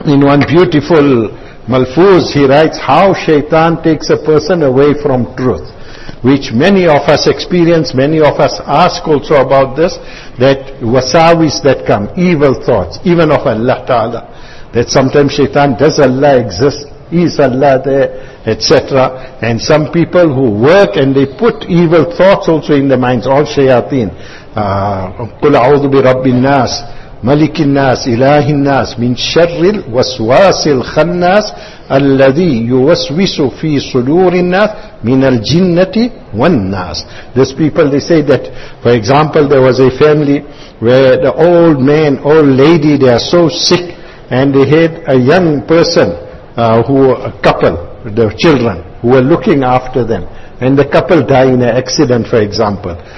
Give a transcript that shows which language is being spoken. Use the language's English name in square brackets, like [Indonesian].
[English] In one beautiful Malfooz, he writes how Shaitan takes a person away from truth, which many of us experience, many of us ask also about this, that wasawis that come, evil thoughts, even of Allah Ta'ala, that sometimes Shaitan, does Allah exist, is Allah there, etc. And some people who work and they put evil thoughts also in their minds, all Shayateen, [Arabic] قُلْ أَعُوذُ بِرَبِّ النَّاسِ ملك الناس إله الناس من شر الوسواس الخناس الذي يوسوس في صدور الناس من الجنة والناس. [English] These people, they say that, for example, there was a family where the old man, old lady, they are so sick, and they had a young person, the children, who were looking after them, and the couple die in an accident, for example.